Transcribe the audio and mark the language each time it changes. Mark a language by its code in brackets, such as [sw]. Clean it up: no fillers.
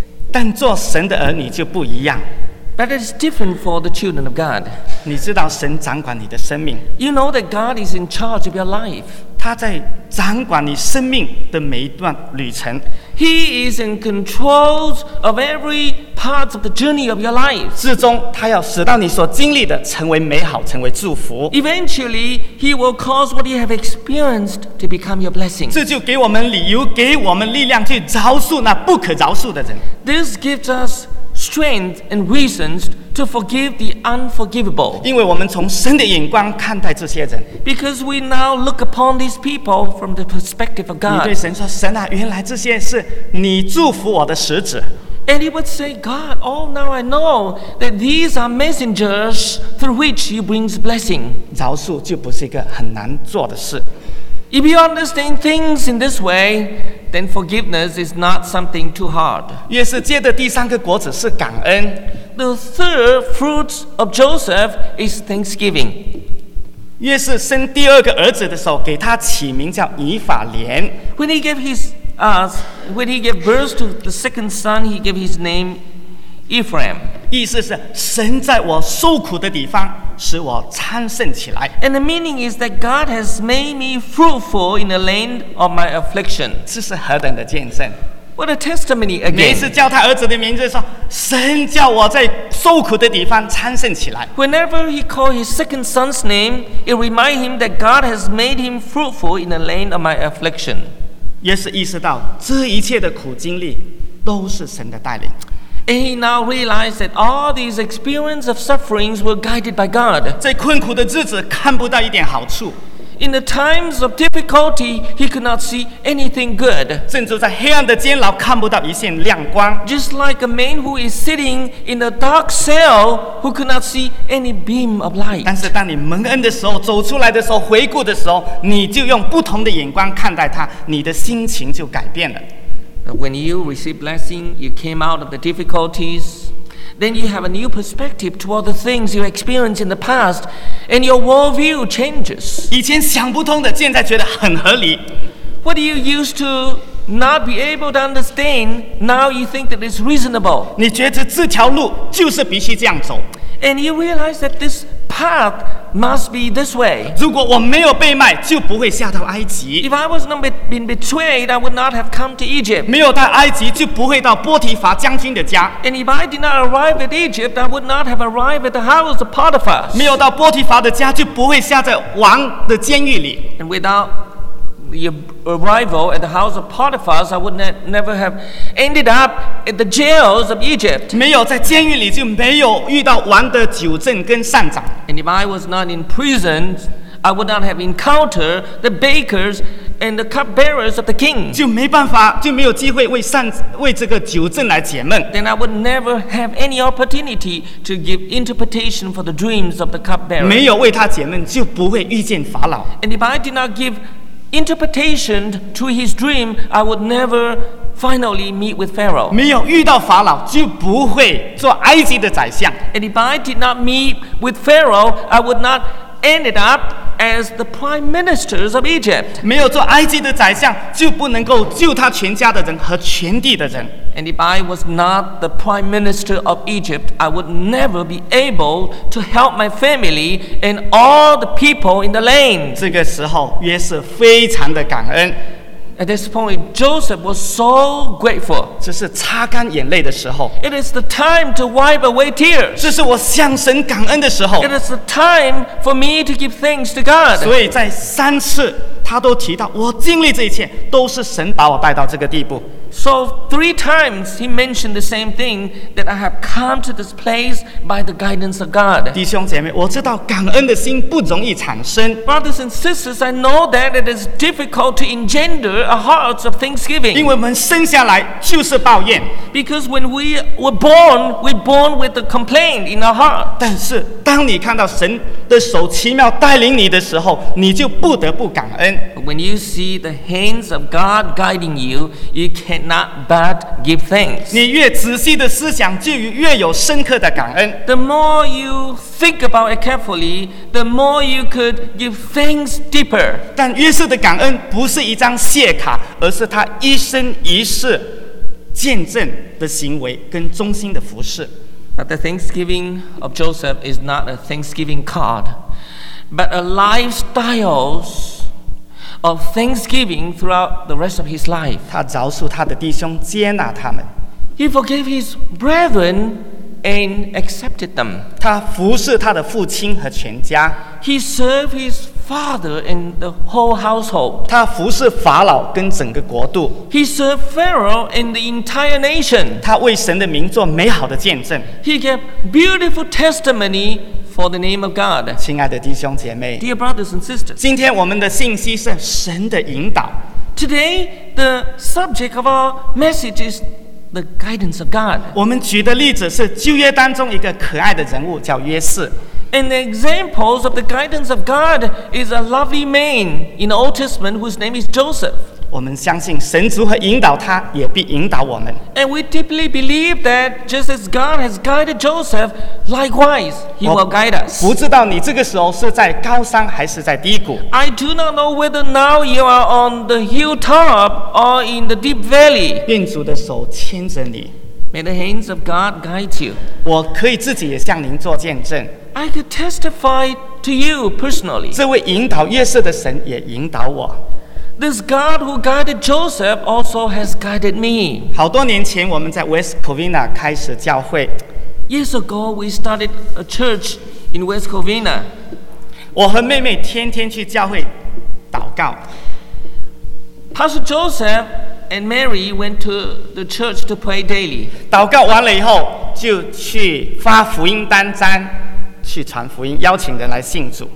[zh] 但做神的儿女就不一样。 [en] But it's different for the children of God. [zh] 你知道神掌管你的生命。 [en] You know that God is in charge of your life. [zh] 他在掌管你生命的每一段旅程。 [en] He is in control of every part of the journey of your life. [zh] 至终他要使到你所经历的成为美好，成为祝福。 [en] Eventually, he will cause what you have experienced to become your blessing. [zh] 这就给我们理由，给我们力量去饶恕那不可饶恕的人。 [en] This gives us strength and reasons to forgive the unforgivable. [zh] 因为我们从神的眼光看待这些人。 [en] Because we now look upon these people from the perspective of God. [zh] 你对神说：“神啊，原来这些是你祝福我的使者。” [en] And he would say, "God, oh, now I know that these are messengers through which you bring blessing." [zh] 饶恕就不是一个很难做的事。 [en] If you understand things in this way, then forgiveness is not something too hard. [zh] 约瑟结的第三个果子是感恩。 [en] The third fruit of Joseph is thanksgiving. [zh] 约瑟生第二个儿子的时候，给他起名叫以法莲。 [en] When he gave birth to the second son, he gave his name Ephraim. [zh] 意思是神在我受苦的地方使我昌盛起来。 [en] And the meaning is that God has made me fruitful in the land of my affliction. [zh] 这是何等的见证。 [en] What a testimony again. [zh] 每次叫他儿子的名字说神叫我在受苦的地方昌盛起来。 [en] Whenever he called his second son's name, it reminds him that God has made him fruitful in the land of my affliction. [zh] 也是意识到这一切的苦经历都是神的带领。 [en] And he now realized that all these experiences of sufferings were guided by God. [zh] 在困苦的日子看不到一点好处。 [en] In the times of difficulty, he could not see anything good. [zh] 甚至在黑暗的监牢看不到一线亮光。 [en] Just like a man who is sitting in a dark cell who could not see any beam of light. [zh] 但是当你蒙恩的时候，走出来的时候，回顾的时候，你就用不同的眼光看待他，你的心情就改变了。 [en] When you receive blessing, you came out of the difficulties. Then you have a new perspective toward the things you experienced in the past, and your worldview changes. [zh] 以前想不通的，现在觉得很合理。 [en] What you used to not be able to understand, now you think that it's reasonable. [zh] 你觉得这条路就是必须这样走。 [en] And you realize that this path must be this way. [zh] 如果我没有被卖，就不会下到埃及。 [en] If I was not been betrayed, I would not have come to Egypt. [zh] 没有到埃及，就不会到波提法将军的家。 [en] And if I did not arrive at Egypt, I would not have arrived at the house of Potiphar. [zh] 没有到波提法的家，就不会下在王的监狱里。 [en] And without your arrival at the house of Potiphar, I would never have ended up at the jails of Egypt. [zh] 没有在监狱里，就没有遇到王的酒政跟膳长。 [en] And if I was not in prison, I would not have encountered the bakers and the cupbearers of the king. [zh] 就没办法，就没有机会为这个酒政来解闷。 [en] Then I would never have any opportunity to give interpretation for the dreams of the cupbearers. [zh] 没有为他解闷，就不会遇见法老。 [en] And if I did not give interpretation to his dream, I would never finally meet with Pharaoh. [zh] 没有遇到法老，就不会做埃及的宰相。 [en] And if I did not meet with Pharaoh, I would not end up as the prime ministers of Egypt. [zh] 没有做埃及的宰相，就不能够救他全家的人和全地的人。 [en] And if I was not the prime minister of Egypt, I would never be able to help my family and all the people in the land. [zh] 这个时候，约瑟非常的感恩。 [en] At this point, Joseph was so grateful. [zh] 这是擦干眼泪的时候。 [en] It is the time to wipe away tears. [zh] 这是我向神感恩的时候。 [en] It is the time for me to give thanks to God. [zh] 所以在三次他都提到，我经历这一切都是神把我带到这个地步。 [en] So three times he mentioned the same thing, that I have come to this place by the guidance of God. [zh] 弟兄姐妹，我知道感恩的心不容易产生。 [en] Brothers and sisters, I know that it is difficult to engender a heart of thanksgiving. [zh] 因为我们生下来就是抱怨。 [en] Because when we were born, we're born with a complaint in our heart. [zh] 但是当你看到神的手奇妙带领你的时候，你就不得不感恩。 [en] When you see the hands of God guiding you, you cannot but give thanks. [zh] 你越仔细的思想，就越有深刻的感恩。 [en] The more you think about it carefully, the more you could give thanks deeper. [zh] 但约瑟的感恩不是一张谢卡，而是他一生一世见证的行为跟忠心的服侍。 [en] But the thanksgiving of Joseph is not a thanksgiving card, but a lifestyle of thanksgiving throughout the rest of his life. [zh] 他饶恕他的弟兄，接纳他们。 [en] He forgave his brethren and accepted them. [zh] 他服侍他的父亲和全家。 [en] He served his father and the whole household. [zh] 他服侍法老跟整个国度。 [en] He served Pharaoh and the entire nation. [zh] 他为神的名做美好的见证。 [en] He gave beautiful testimony. For the name of God, [zh] 亲爱的弟兄姐妹 [en] ，Dear brothers and sisters, [zh] 今天我们的信息是神的引导。 [en] Today, the subject of our message is the guidance of God. [zh] 我们举的例子是旧约当中一个可爱的人物，叫约瑟。 [en] And the examples of the guidance of God is a lovely man in the Old Testament whose name is Joseph. [zh] 我们相信神如何引导他，也必引导我们。 [en] And we deeply believe that just as God has guided Joseph, likewise He will guide us. [zh] 不知道你这个时候是在高山还是在低谷。 [en] I do not know whether now you are on the hilltop or in the deep valley. [zh] 愿主的手牵着你。 [en] May the hands of God guide you. [zh] 我可以自己也向您做见证。 [en] I could testify to you personally. [zh] 这位引导约瑟的神也引导我。 [en] This God who guided Joseph also has guided me. [zh] 好多年前，我们在 West Covina 开始教会。 [en] Years ago, we started a church in West Covina. [zh] 我和妹妹天天去教会祷告。 [en] Pastor Joseph and Mary went to the church to pray daily. [zh] 祷告完了以后，就去发福音单张。去传福音，邀请人来信主。